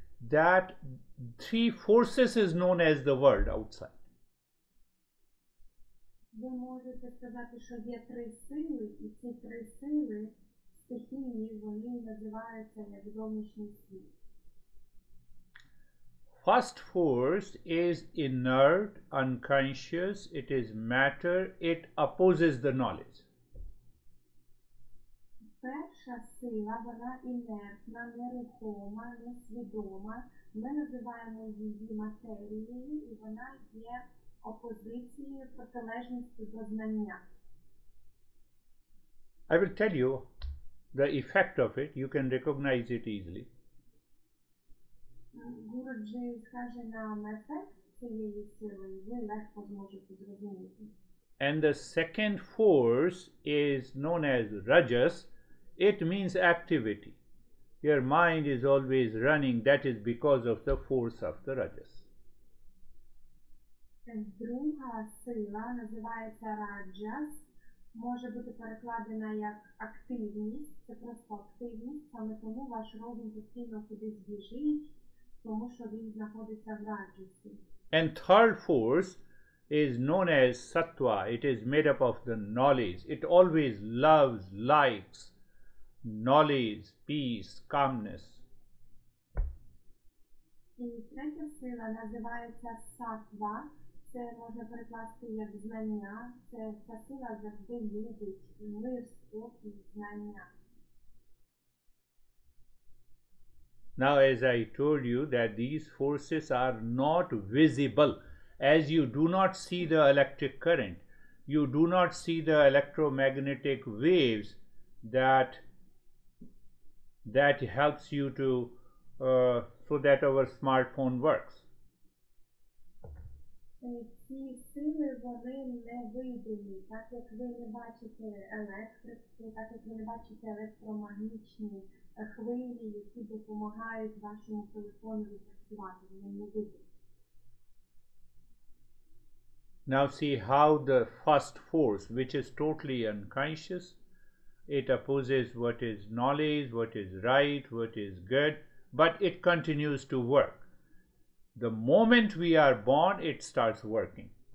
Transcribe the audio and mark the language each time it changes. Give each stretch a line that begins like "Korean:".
English: That three forces is known as the world outside.
Ukrainian: Ви можете сказати, що є три сили, і ці три сили стихійні, вони називаються як зовнішній світ.
English: First force is inert, unconscious, it is matter, it opposes the knowledge.
Ukrainian: Перша сила, вона інертна, нерухома, несвідома. Ми називаємо її матерією, і вона є опозиції, протилежності до знання.
English: I will tell you the effect of it. You can recognize it easily.
Ukrainian: Гуруджи скаже нам ефект цієї сили. Ви легко зможете зрозуміти.
English: And the second force is known as Rajas. It means activity. Your mind is always running. That is because of the force of the Rajas.
Ukrainian: Друга сила називається Раджас, може бути перекладена як активність, це просто активність, саме тому ваш розум постійно кудись біжить, тому що він знаходиться в Раджасі.
English: And third force is known as Sattva, it is made up of the knowledge, it always loves, likes, knowledge, peace, calmness.
Ukrainian: І третя сила називається Саттва. Це можна перекласти як знання, це ця сила завжди любить мир, спокій, знання.
English: Now, as I told you, that these forces are not visible, as you do not see the electric current, you do not see the electromagnetic waves that helps you to, so that our smartphone works.
Ukrainian: Ці сили, вони невидимі, так як ви не бачите електрику, так як ви не бачите електромагнітні хвилі, які допомагають вашому телефону працювати, вони невидимі.
English: Now see how the first force, which is totally unconscious, it opposes what is knowledge, what is right, what is good, but it continues to work. The moment we are born, it starts working.